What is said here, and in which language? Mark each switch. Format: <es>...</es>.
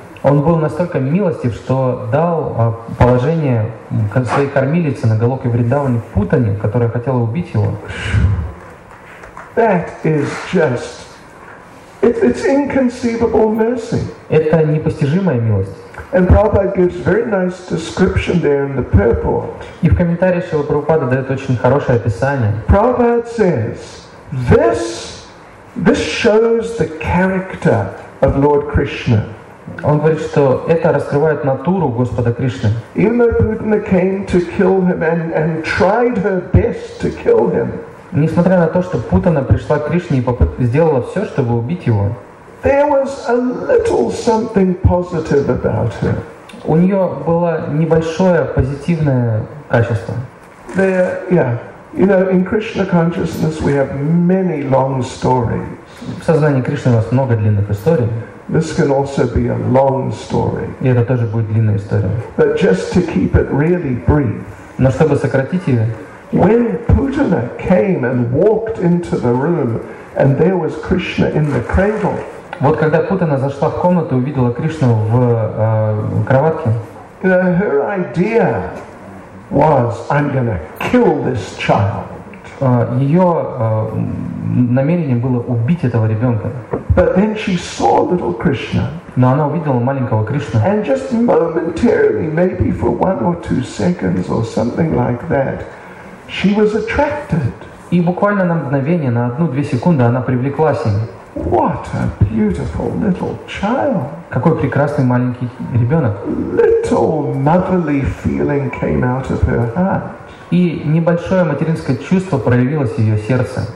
<ru>Он был настолько милостив, что дал положение своей кормилице на Голоке Вриндаване Путане, которая хотела убить его.</ru> <en>That is just, it's inconceivable mercy.</en> <ru>Это непостижимая милость.</ru> <en>And Prabhupada gives very nice description there in the purport.</en> <ru>И в комментариях Шрила Прабхупада дает очень хорошее описание.</ru> <en>Prabhupada says, This shows the character of Lord Krishna.</en> <ru>Он говорит, что это раскрывает натуру Господа Кришны.</ru> <en>Even though Putana came to kill him and tried her best to kill him.</en> <ru>Несмотря на то, что Путана пришла к Кришне и сделала все, чтобы убить его.</ru> <en>There was a little something positive about her.</en> <ru>У нее было небольшое позитивное качество.</ru> <en>There, yeah. You know, in Krishna consciousness we have many long stories.</en> <ru>В сознании Кришны у нас много длинных историй.</ru> <en>This can also be a long story.</en> <ru>И это тоже будет длинная история.</ru> <en>But just to keep it really brief.</en> <ru>Но чтобы сократить ее.</ru> <en>When Putana came and walked into the room, and there was Krishna in the cradle.</en> <ru>Вот когда Путана зашла в комнату и увидела Кришну в кроватке.</ru> <en>You know, her idea was, I'm gonna kill this child.</en> <ru>Ее намерение было убить этого ребенка.</ru> <en>But then she saw little Krishna.</en> <ru>Но она увидела маленького Кришну.</ru> <en>And just momentarily, maybe for one or two seconds or something like that, she was attracted.</en> <ru>И буквально на мгновение, на 1-2 секунды, она привлеклась им.</ru> <en>What a beautiful little child.</en> <ru>Какой прекрасный маленький ребенок.</ru> <en>Little motherly feeling came out of her heart.</en> <ru>И небольшое материнское чувство проявилось в ее сердце.</ru>